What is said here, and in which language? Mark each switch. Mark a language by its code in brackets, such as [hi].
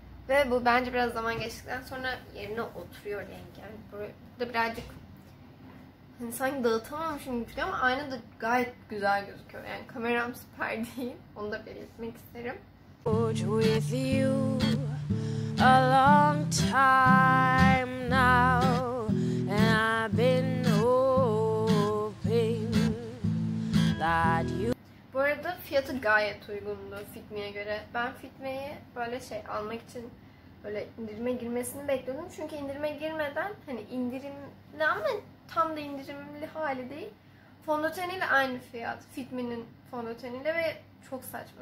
[tr] Ve bu bence biraz zaman geçtikten sonra yerine oturuyor denk. Yani burada birazcık hani sanki dağıtamamışım gibi ama aynada gayet güzel gözüküyor. Yani kameram süper değil. Onu da belirtmek isterim. [en] With you a long time now, and I've been hoping that you. [tr] Bu arada fiyatı gayet uygundu Fitme'ye göre. Ben Fitme'yi böyle şey almak için böyle indirime girmesini bekliyordum. Çünkü indirime girmeden hani indirimli ama tam da indirimli hali değil. Fondöteniyle aynı fiyat. Fitme'nin fondöteniyle ve çok saçma.